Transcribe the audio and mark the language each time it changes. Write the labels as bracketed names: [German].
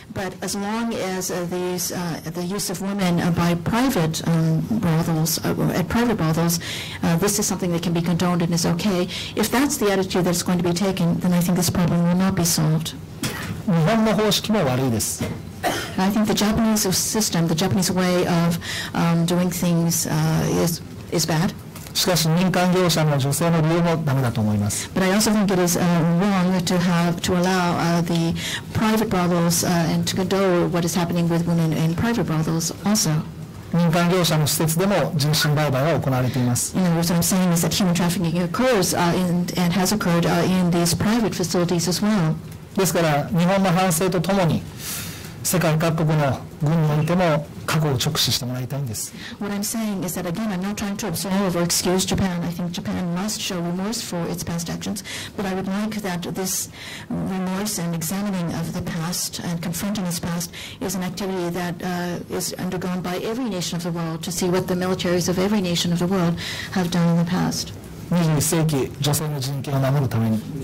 [English] But as long as the use of women by private brothels, at private brothels, this is something that can be condoned and is okay. If that's the attitude that's going to be taken, then I think this problem will not be solved. [Japanese] 日本の方式も悪いです。 [English] I think the Japanese system, the Japanese way of doing things is bad. [Japanese] しかし民間業者の女性の利用もダメだと思います。 [English] But I also think it is wrong to allow the private brothels and to condone what is happening with women in private brothels also. [Japanese] 民間業者の施設でも人身売買は行われています。 [English] In other words, what I'm saying is that human trafficking occurs and has occurred in these private facilities as well. [Japanese] ですから日本の反省とともに世界各国の軍においても過去を直視してもらいたいんです。 [English] What I'm saying is that again, I'm not trying to absolve or excuse Japan. I think Japan must show remorse for its past actions. But I would like that this remorse and examining of the past and confronting this past is an activity that is undergone by every nation of the world to see what the militaries of every nation of the world have done in the past. [Japanese] 21世紀、女性の人権を守るために。